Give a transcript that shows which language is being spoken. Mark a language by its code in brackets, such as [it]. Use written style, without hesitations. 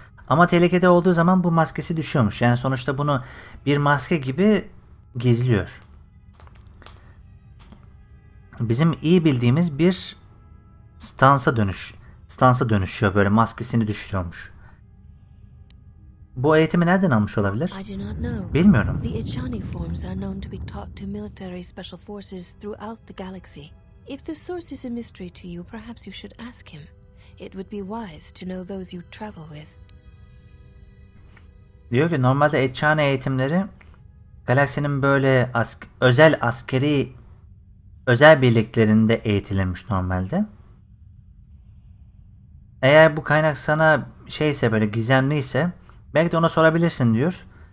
[tr] Ama tehlikede olduğu zaman bu maskesi düşüyormuş. Yani sonuçta bunu bir maske gibi gizliyor. Bizim iyi bildiğimiz bir stansa dönüşüyor, böyle maskesini düşürüyormuş. Bu eğitimi nereden almış olabilir? Bilmiyorum. [en] The Echani forms are known to be taught to military special forces throughout the galaxy. If the source is a mystery to you, perhaps you should ask him. It would be wise to know those you travel with. [tr] Diyor ki normalde Echani eğitimleri galaksinin böyle özel askeri birliklerinde eğitilirmiş normalde. Eğer bu kaynak sana şeyse, böyle gizemliyse, belki de ona sorabilirsin diyor.